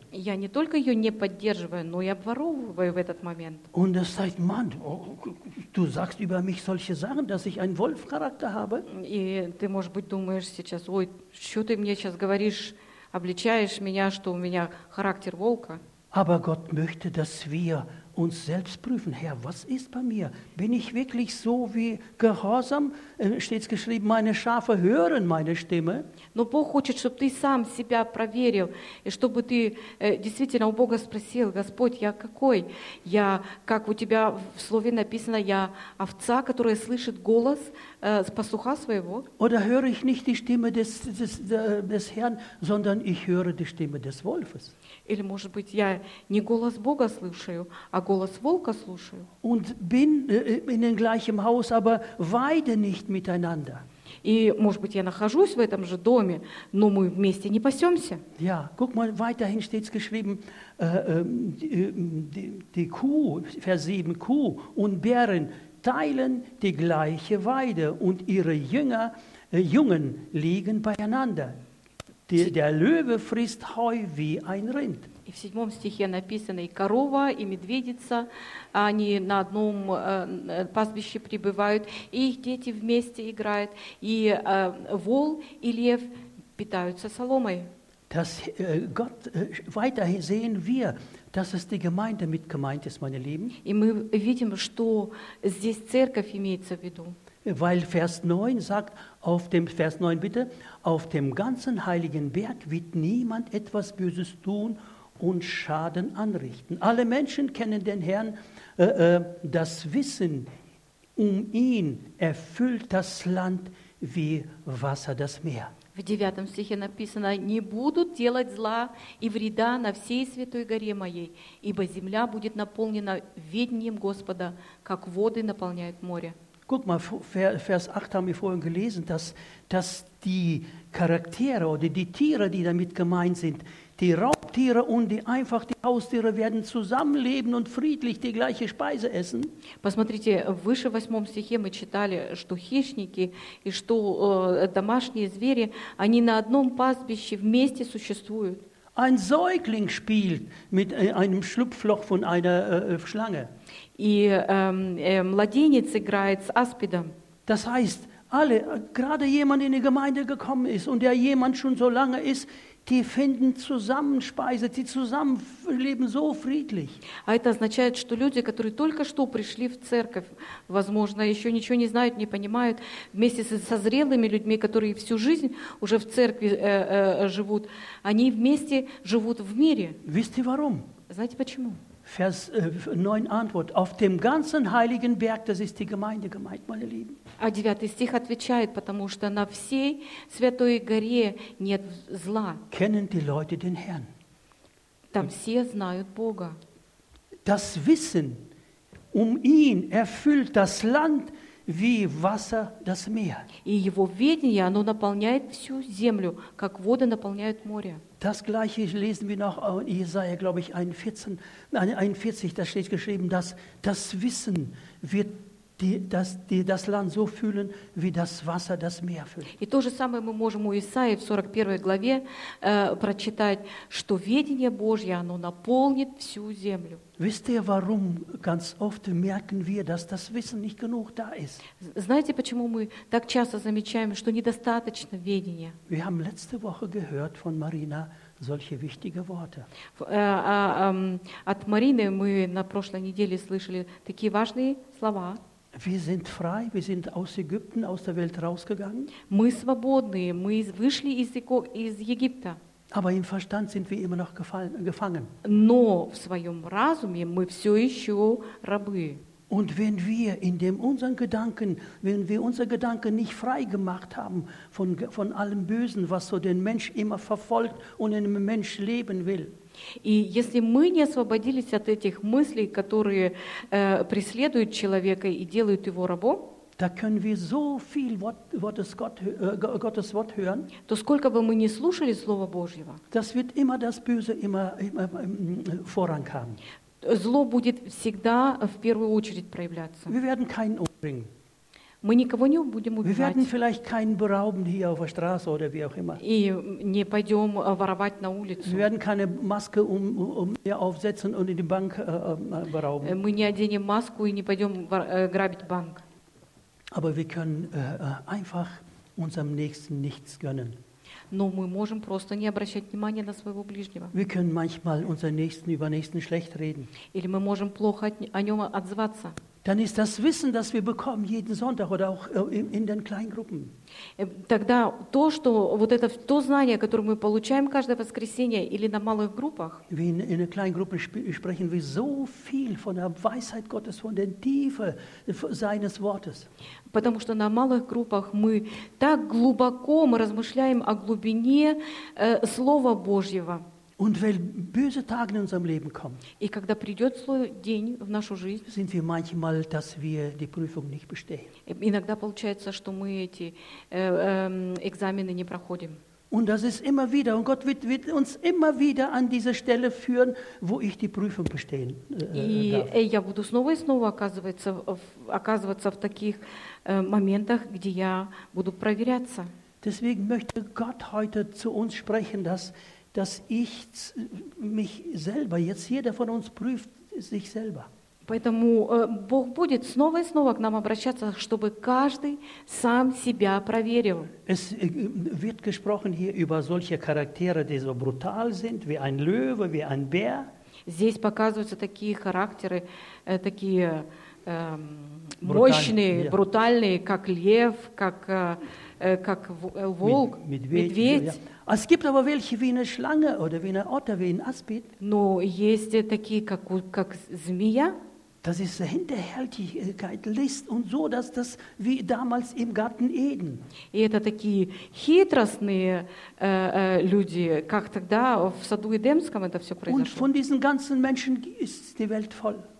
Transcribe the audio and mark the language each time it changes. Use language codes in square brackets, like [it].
[ru] Я не только ее не поддерживаю, но и обворовываю в этот момент. [de] Und das heißt, Mann, du sagst über mich solche Sachen, dass ich einen Wolf-Charakter habe. [ru] И ты, может быть, думаешь сейчас, ой, что ты мне сейчас говоришь, обличаешь меня, что у меня характер волка. [de] Aber Gott möchte, dass wir uns selbst prüfen, Herr, was ist bei mir? Bin ich wirklich so wie gehorsam? Steht's geschrieben, meine Schafe hören meine Stimme. [ru] Но Бог хочет, чтобы ты сам себя проверил и чтобы ты действительно у Бога спросил, Господь, я какой? Я, как у тебя в слове написано, я овца, которая слышит голос пастуха своего. [de] Oder höre ich nicht die Stimme des Herrn, sondern ich höre die Stimme des Wolfes? [ru] Или, может быть, я не голос Бога слушаю, а голос волка слушаю. [de] Und bin in dem gleichen Haus, aber weide nicht miteinander. [ru] И, может быть, я нахожусь в этом же доме, но мы вместе не пасемся. [de] Ja, guck mal, weiterhin steht's geschrieben, die Kuh, Vers 7, Kuh und Bären, teilen die gleiche Weide und ihre Jünger, Jungen liegen beieinander. Der Löwe frisst Heu wie ein Rind. [ru] И в седьмом стихе написано, и корова, и медведица, они на одном пастбище пребывают, и их дети вместе играют, и вол, и лев питаются соломой. [de] Das, Gott, weiterhin sehen wir, dass es die Gemeinde mit gemeint ist, meine Lieben. [ru] И мы видим, что здесь церковь имеется в виду. [de] Weil Vers 9 sagt, auf dem, Vers 9 bitte, auf dem ganzen heiligen Berg wird niemand etwas Böses tun und Schaden anrichten. Alle Menschen kennen den Herrn, das Wissen um ihn erfüllt das Land wie Wasser das Meer. [ru] В девятом стихе написано, не будут делать зла и вреда на всей святой горе моей, ибо земля будет наполнена ведением Господа, как воды наполняют море. [de] Guck mal, Vers 8 haben wir vorhin gelesen, dass die Charaktere oder die Tiere, die damit gemeint sind, die Raubtiere und die einfach die Haustiere werden zusammenleben und friedlich die gleiche Speise essen. [ru] Посмотрите, выше в восьмом стихе мы читали, что хищники и что домашние звери, они на одном пастбище вместе существуют. [de] Ein Säugling spielt mit einem Schlupfloch von einer Schlange. [ru] И младенец играет с аспидом. [de] Das heißt, alle, gerade jemand in die Gemeinde gekommen ist und der jemand schon so lange ist, die finden zusammen Speise, die zusammen leben so friedlich. [ru] А это означает, что люди, которые только что пришли в церковь, возможно, еще ничего не знают, не понимают, вместе со зрелыми людьми, которые всю жизнь уже в церкви живут, они вместе живут в мире. [de] Wisst ihr warum? [ru] Знаете почему? [de] Vers 9 Antwort, auf dem ganzen heiligen Berg, das ist die Gemeinde gemeint, meine Lieben. [ru] А девятый стих отвечает, потому что на всей святой горе нет зла. [de] Kennen die Leute den Herrn? [ru] Там все знают Бога. [de] Das Wissen um ihn erfüllt das Land wie Wasser das Meer. [ru] И его ведение, оно наполняет всю землю, как воды наполняют море. [de] Das gleiche lesen wir noch in Jesaja, glaube ich, 41, da steht geschrieben, dass das Wissen wird das Land so füllen, wie das Wasser das Meer füllt. [ru] И то же самое мы можем у Исаии в 41 главе прочитать, что ведение Божье, оно наполнит всю землю. [de] Wisst ihr, warum ganz oft merken wir, dass das Wissen nicht genug da ist? [ru] Знаете, почему мы так часто замечаем, что недостаточно ведения? [de] Wir haben letzte Woche gehört von Marina solche wichtige Worte. [ru] От Марины мы на прошлой неделе слышали такие важные слова. [de] Wir sind frei, wir sind aus Ägypten, aus der Welt rausgegangen. [ru] Мы свободны, мы вышли из Египта. [de] Aber im Verstand sind wir immer noch gefangen. [ru] Но в своем разуме мы все еще рабы. [de] Und wenn wir unsere Gedanken nicht frei gemacht haben von allem Bösen, was so den Mensch immer verfolgt und in dem Mensch leben will. [ru] И если мы не освободились от этих мыслей, которые преследуют человека и делают его рабом, [de] da können wir so viel Gottes Wort hören, [ru] то сколько бы мы не слушали Слова Божьего, [de] das wird immer das Böse immer Vorrang haben. [ru] Зло будет всегда в первую очередь проявляться. [de] Wir werden keinen umbringen. [ru] Мы никого не будем убивать. [de] Wir werden vielleicht keinen berauben hier auf der Straße oder wie auch immer. [ru] И не пойдем воровать на улицу. [de] Wir werden keine Maske aufsetzen und in die Bank berauben. [ru] Мы не оденем маску и не пойдем грабить банк. [de] Aber wir können einfach unserem Nächsten nichts gönnen. [ru] Но мы можем просто не обращать внимания на своего ближнего. [de] Wir können manchmal unseren Nächsten über Nächsten schlecht reden. [ru] Или мы можем плохо о нем отзываться. [de] Dann ist das Wissen, das wir bekommen jeden Sonntag oder auch in den kleinen Gruppen. [ru] Тогда то, что вот это то знание, которое мы получаем каждое воскресенье или на малых группах. [de] Wir in den kleinen Gruppen sprechen wir so viel von der Weisheit Gottes, von der Tiefe seines Wortes. [ru] Потому что на малых группах мы так глубоко мы размышляем о глубине Слова Божьего. [de] Und wenn böse Tage in unserem Leben kommen, [ru] и когда придет злой день в нашу жизнь, [de] sind wir manchmal, dass wir die Prüfung nicht bestehen. [ru] Иногда получается, что мы эти экзамены не проходим. [de] Und das ist immer wieder, und Gott wird uns immer wieder an diese Stelle führen, wo ich die Prüfung bestehen darf. [ru] Я буду снова и снова оказываться в таких моментах, где я буду проверяться. [de] Deswegen möchte Gott heute zu uns sprechen, dass ich mich selber, jetzt jeder von uns prüft sich selber. [ru] Поэтому Бог будет снова и снова к нам обращаться, чтобы каждый сам себя проверил. [de] Es wird gesprochen hier über solche Charaktere, die so brutal sind, wie ein Löwe, wie ein Bär. [ru] Здесь показываются такие характеры, такие мощные, брутальные, как лев, как волк, медведь. [de] Es gibt aber welche wie eine Schlange oder wie eine Otter, wie ein Aspid. [ru] Но есть такие, как змея. [de] Das ist Hinterhältigkeit, List und so, dass das wie damals im Garten Eden. [ru] И это такие хитростные люди, как тогда в саду Эдемском это все произошло. [de] Und von diesen ganzen Menschen ist die Welt voll.